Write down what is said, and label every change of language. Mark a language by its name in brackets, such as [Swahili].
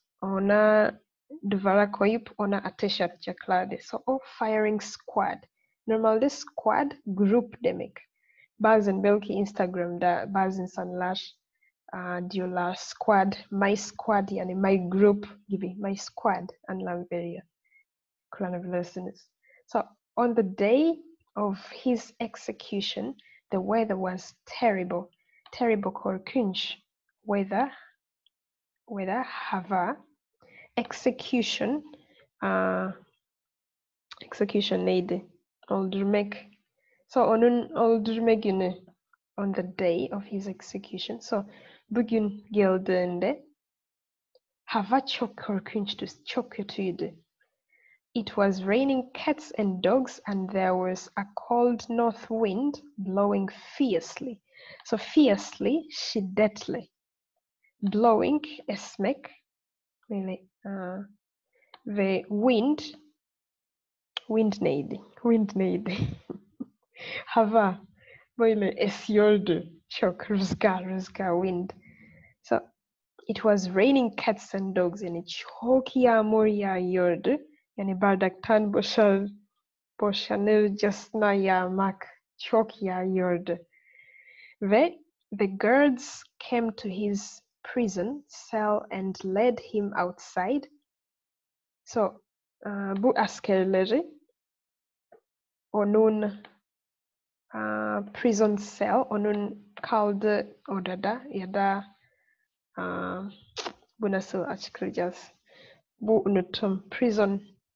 [Turkish] Ona duvara koyup ona ateş atacaklardı. So o firing squad. Normalde squad, group demek. Bazen belki Instagram'da bazı insanlar diyorlar squad, [English] my squad [Turkish] yani [English] my group [Turkish] gibi. [English] My squad [Turkish] anlam veriyor. Kullanabilirsiniz. [English] So on the day of his execution, the weather was terrible. [Turkish] Terrible korkunç. Weather, hava. Execution, execution neydi? Öldürmek. So onun öldürme günü, [English] on the day of his execution. [Turkish] So bugün geldiğinde hava çok korkunçtu, çok kötüydü. [English] It was raining cats and dogs and there was a cold north wind blowing fiercely. [Turkish] So fiercely, şiddetli. Blowing, esmek. Really, ve wind. Wind neydi. Hava, böyle esiyordu. Çok rüzgar, wind. [English] So, it was raining cats and dogs. [Turkish] Yani çok yağmur yağıyordu. Yani bardaktan boşanırcasına yağmak çok yağıyordu. [English] Ve the guards came to his prison cell and led him outside. [Turkish] So, bu askerleri onun prison cell, onun kaldı odada ya da bu nasıl açıklayacağız? Bu unuttum. Prison.